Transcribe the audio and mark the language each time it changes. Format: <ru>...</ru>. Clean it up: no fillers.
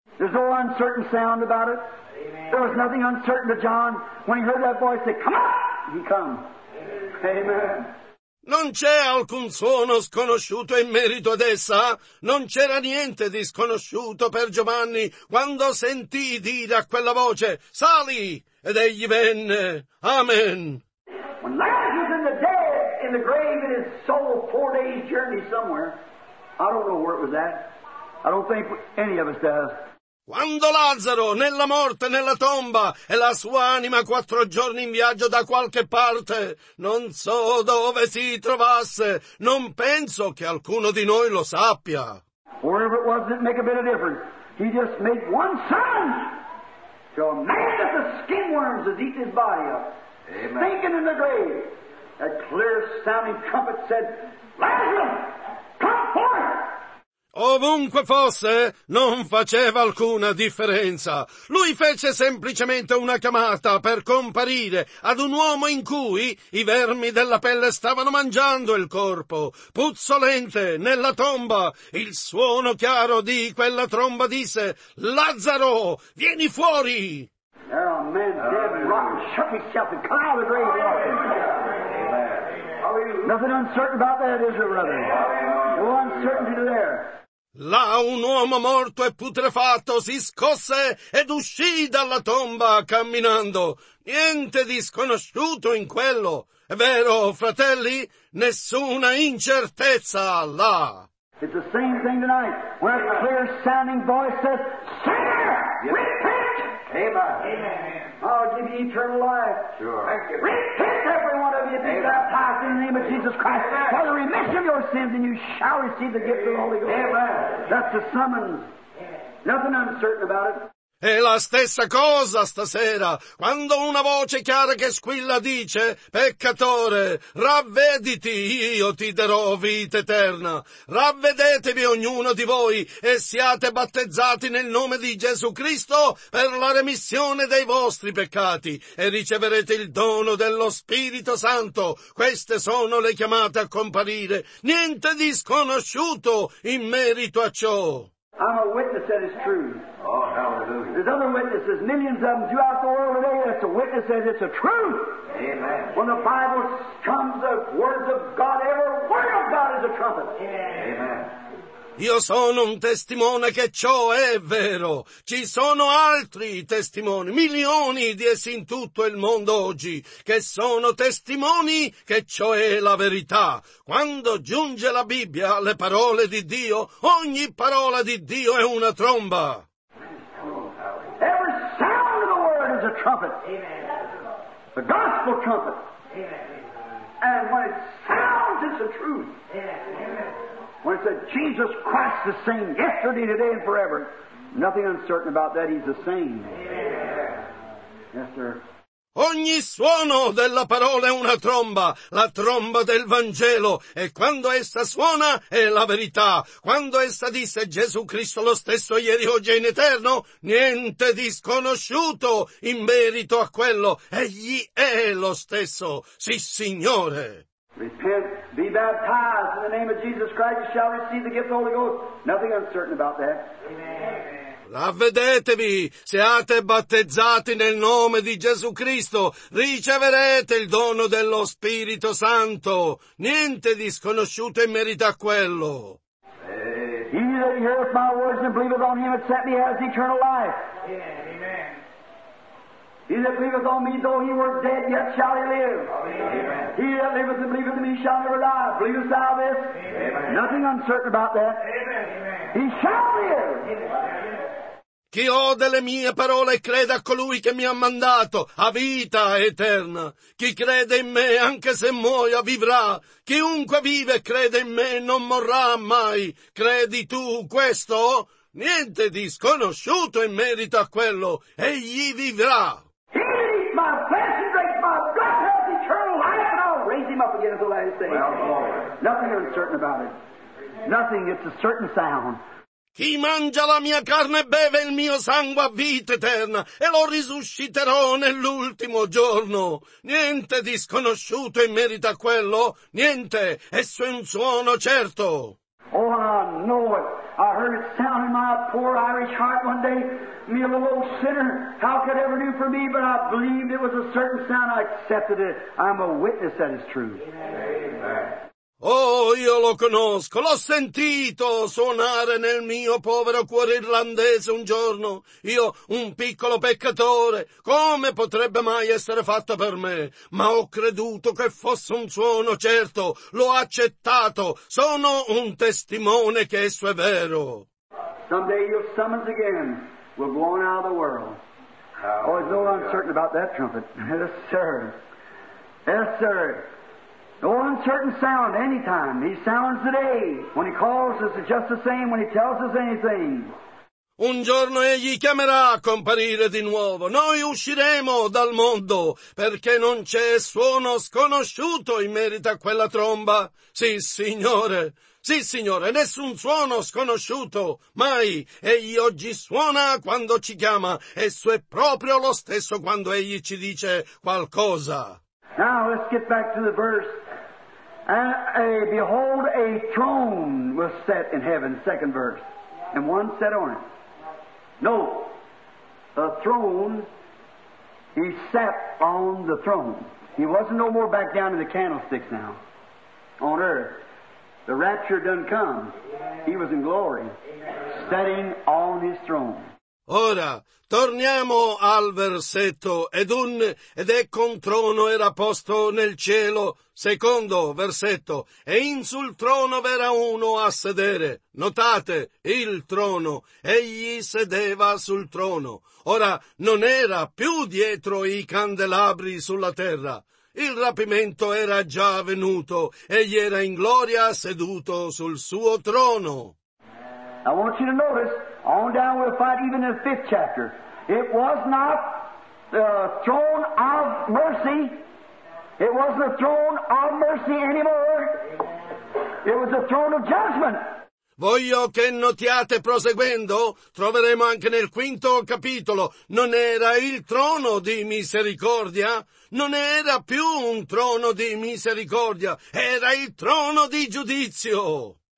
<en>There's no uncertain sound about it. Amen. There was nothing uncertain to John when he heard that voice say, come on, he come. Amen. Amen.</en> <it>Non c'è alcun suono sconosciuto in merito ad essa? Non c'era niente di sconosciuto per Giovanni quando sentì dire a quella voce, sali! Ed egli venne. Amen.</it> <en>When Lazarus in the dead, in the grave, in his soul, 4 days journey somewhere, I don't know where it was at. I don't think any of us does.</en> <it>Quando Lazzaro, nella morte, nella tomba, e la sua anima 4 giorni in viaggio da qualche parte, non so dove si trovasse, non penso che alcuno di noi lo sappia.</it> <en>Wherever it was, it didn't make a bit of difference. He just made one sound to a man that the skin worms has eaten his body up. Amen. Thinking in the grave, that clear sounding trumpet said, Lazarus, come forth!</en> <it>Ovunque fosse, non faceva alcuna differenza. Lui fece semplicemente una chiamata per comparire ad un uomo in cui i vermi della pelle stavano mangiando il corpo. Puzzolente, nella tomba, il suono chiaro di quella tromba disse, Lazzaro, vieni fuori!</it> <en>There are men dead, rotten, shook himself and come out of the grave. Amen. Nothing uncertain about that, is it, brother? No uncertainty there.</en> <it>Là un uomo morto e putrefatto si scosse ed uscì dalla tomba camminando. Niente di sconosciuto in quello. È vero, fratelli? Nessuna incertezza là.</it> <en>It's the same thing tonight, where a clear sounding voice says, sinner, repent! Amen. I'll give you eternal life. Sure. Thank you. Repent, every one of you, be baptized in the name of Jesus Christ. Amen. For the remission of your sins, and you shall receive the gift of the Holy Ghost. Amen. That's the summons. Nothing uncertain about it.</en> <it>È la stessa cosa stasera, quando una voce chiara che squilla dice, peccatore, ravvediti, io ti darò vita eterna. Ravvedetevi ognuno di voi e siate battezzati nel nome di Gesù Cristo per la remissione dei vostri peccati e riceverete il dono dello Spirito Santo. Queste sono le chiamate a comparire. Niente di sconosciuto in merito a ciò.</it> <en>I'm a witness that is true. Oh, hallelujah. There's other witnesses, millions of them throughout the world today, and it's a witness that it's a truth. Amen. When the Bible comes, the words of God, every word of God is a trumpet. Yeah. Amen.</en> <it>Io sono un testimone che ciò è vero. Ci sono altri testimoni, milioni di essi in tutto il mondo oggi, che sono testimoni che ciò è la verità. Quando giunge la Bibbia alle parole di Dio, ogni parola di Dio è una tromba.</it> <en>Every sound of the word is a trumpet. Amen. A gospel trumpet. Amen. And when it sounds, it's the truth. Amen. When it said, Jesus Christ the same yesterday, today, and forever. Nothing uncertain about that, he's the same. Yeah. Yes, sir.</en> <it>Ogni suono della parola è una tromba, la tromba del Vangelo, e quando essa suona è la verità. Quando essa disse Gesù Cristo lo stesso ieri, oggi e in eterno, niente di sconosciuto in merito a quello. Egli è lo stesso, sì Signore.</it> <en>Repent, be baptized in the name of Jesus Christ, you shall receive the gift of the Holy Ghost. Nothing uncertain about that. Amen.</en> <it>Ravvedetevi, siate battezzati nel nome di Gesù Cristo, riceverete il dono dello Spirito Santo. Niente di sconosciuto in merito a quello.</it> <en>He that heareth my words and believeth on him that sent me has eternal life. Amen. He that believeth on me, though he were dead, yet shall he live. Amen. He that liveth and believeth in me shall never die. Believest thou this? Amen. Nothing uncertain about that. Amen. He shall live. Amen.</en> <it>Chi ode le mie parole e crede a colui che mi ha mandato, ha vita eterna. Chi crede in me, anche se muoia, vivrà. Chiunque vive e crede in me, non morrà mai. Credi tu questo? Niente di sconosciuto in merito a quello. Egli vivrà.</it> <en>He eat my flesh and drink my blood, eternal life, and I'll raise him up again at the last day. Well, nothing uncertain about it. Nothing, it's a certain sound.</en> <it>Chi mangia la mia carne e beve il mio sangue ha vita eterna e lo risusciterò nell'ultimo giorno. Niente di sconosciuto in merito a quello, niente, esso è un suono certo.</it> <en>Oh, I know it. I heard it sound in my poor Irish heart one day. Me a little old sinner, how could it ever do for me? But I believed it was a certain sound. I accepted it. I'm a witness that is true. Amen.</en> <it>Oh, io lo conosco, l'ho sentito suonare nel mio povero cuore irlandese un giorno. Io, un piccolo peccatore, come potrebbe mai essere fatto per me? Ma ho creduto che fosse un suono certo, l'ho accettato, sono un testimone che esso è vero.</it> <en>Someday your summons again will go on out of the world. Oh, it's no uncertain about that trumpet. Yes, sir. Yes, sir. No uncertain sound anytime. He sounds today. When he calls us, it's just the same. When he tells us anything.</en> <it>Un giorno egli chiamerà a comparire di nuovo. Noi usciremo dal mondo perché non c'è suono sconosciuto in merito a quella tromba. Sì, Signore. Sì, Signore. Nessun suono sconosciuto. Mai. Egli oggi suona quando ci chiama. Esso è proprio lo stesso quando egli ci dice qualcosa.</it> <en>Now let's get back to the verse. And behold, a throne was set in heaven, second verse. And one sat on it. No, a throne, he sat on the throne. He wasn't no more back down in the candlesticks now, on earth. The rapture done come. He was in glory, sitting on his throne.</en> <it>Ora, torniamo al versetto Edun, ed ecco un trono era posto nel cielo. Secondo versetto, e in sul trono v'era uno a sedere. Notate, il trono, egli sedeva sul trono. Ora, non era più dietro i candelabri sulla terra. Il rapimento era già avvenuto, egli era in gloria seduto sul suo trono.</it> <en>I want you to notice, on down we'll find even in the fifth chapter, it was not the throne of mercy. It wasn't the throne of mercy anymore. It was the throne of judgment.</en> <it>Voglio che notiate, proseguendo, troveremo anche nel quinto capitolo, non era il trono di misericordia, non era più un trono di misericordia, era il trono di giudizio.</it>